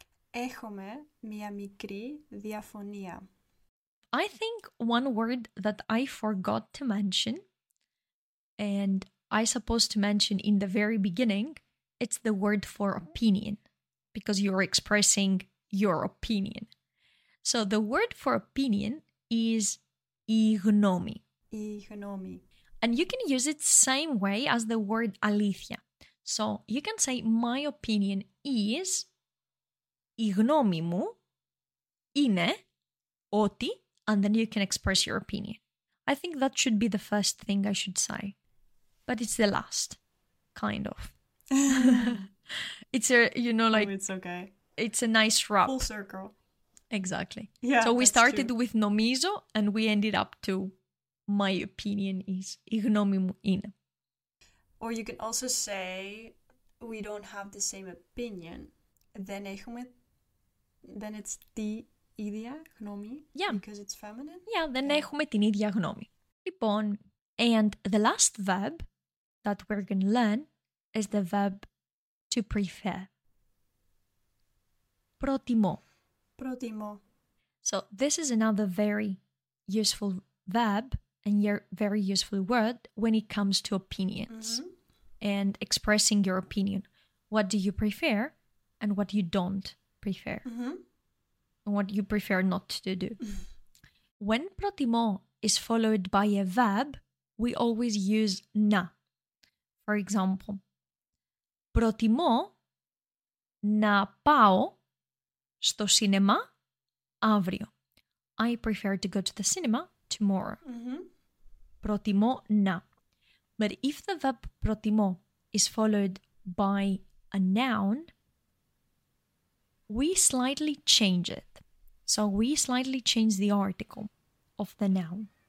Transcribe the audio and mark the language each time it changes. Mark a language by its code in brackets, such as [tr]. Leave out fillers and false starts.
[el] Έχουμε μία μικρή διαφωνία. [en] I think one word that I forgot to mention, and I supposed to mention in the very beginning, it's the word for opinion, because you're expressing your opinion. So the word for opinion is η γνώμη. [el] Η γνώμη. [en] And you can use it same way as the word αλήθεια. So you can say my opinion is [el] η γνώμη μου είναι ότι, [en] and then you can express your opinion. I think that should be the first thing I should say. But it's the last, kind of. It's a, you know, like... Oh, it's okay. It's a nice wrap. Full circle. Exactly. Yeah, so we started with νομίζω and we ended up to... My opinion is [el] η γνώμη μου είναι. [en] Or you can also say we don't have the same opinion. [el] Then έχουμε, [en] then it's [el] τη ίδια γνώμη. [en] Yeah. Because it's feminine. Yeah, then yeah. [el] Έχουμε την ίδια γνώμη. [en] Λοιπόν, and the last verb that we're going to learn is the verb to prefer. [el] Προτιμώ. Προτιμώ. [en] So this is another very useful verb. And your very useful word when it comes to opinions. Mm-hmm. And expressing your opinion. What do you prefer? and what you don't prefer. Mm-hmm. And what you prefer not to do. Mm-hmm. When προτιμώ is followed by a verb, we always use να. For example, [el] προτιμώ να πάω στο σινεμά αύριο. [en] I prefer to go to the cinema tomorrow. Mm-hmm. [el] Προτιμώ να. [en] But if the verb προτιμώ is followed by a noun, we slightly change it. So we slightly change the article of the noun.